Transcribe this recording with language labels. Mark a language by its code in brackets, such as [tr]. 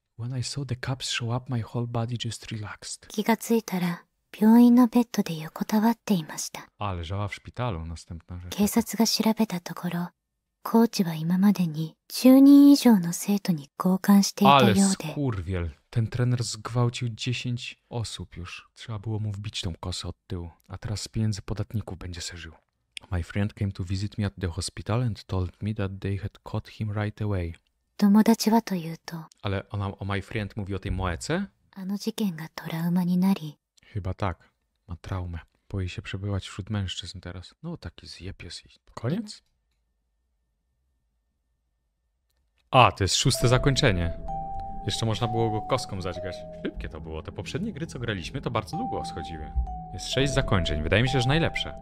[en] When I saw the cops show up, my whole body just relaxed. [ja] 気がついたら病院のベッドで横たわっていました。 [pl] あ、leżała w szpitalu następna rzecz. [ja] 警察が調べたところ、コーチは今までに10人以上の生徒に強姦していたようで。 [pl] Ale skurwiel. Ten trener zgwałcił 10 osób już. Trzeba było mu wbić tą kosę od tyłu. A teraz z pieniędzy podatników będzie se żył. [en] My friend came to visit me at the hospital and told me that they had caught him right away. [ja] 友達はというと。 [pl] Ale ona, o [en] my friend [pl] mówi o tej moece? [ja] あの事件がトラウマになり。 [pl] Chyba tak. Ma traumę. Boi się przebywać wśród mężczyzn teraz. No taki zjepies i... Koniec? A, to jest 6. zakończenie. Jeszcze można było go kostką zadźgać. Szybkie to było. Te poprzednie gry, co graliśmy, to bardzo długo schodziły. Jest 6 zakończeń. Wydaje mi się, że najlepsze.